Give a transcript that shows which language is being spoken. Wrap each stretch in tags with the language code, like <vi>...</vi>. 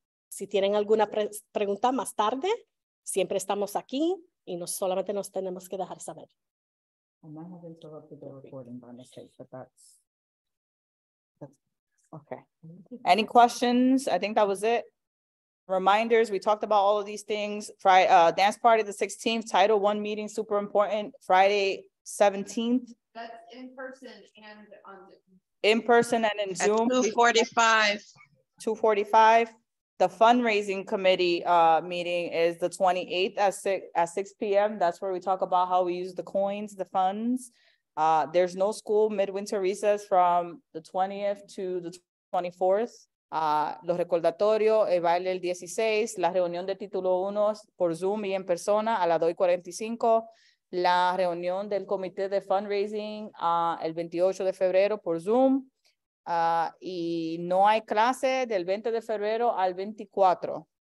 <es>Si tienen alguna pregunta más tarde, siempre estamos aquí y no solamente nos tenemos que dejar saber.</es> <en>I might have interrupted the recording by mistake, but that's okay. Any questions? I think that was it. Reminders, we talked about all of these things. Friday, dance party the 16th, Title I meeting, super important. Friday, 17th. That's in person and on Zoom. In person and in Zoom. At 2:45. The fundraising committee meeting is the 28th at 6 p.m. That's where we talk about how we use the coins, the funds. There's no school midwinter recess from the 20th to the 24th.</en> <es>Los recordatorios, el baile el 16, la reunión de título 1 por Zoom y en persona a las 2:45. La reunión del comité de fundraising el 28 de febrero por Zoom. Y no hay clase del 20 de febrero al 24.</es>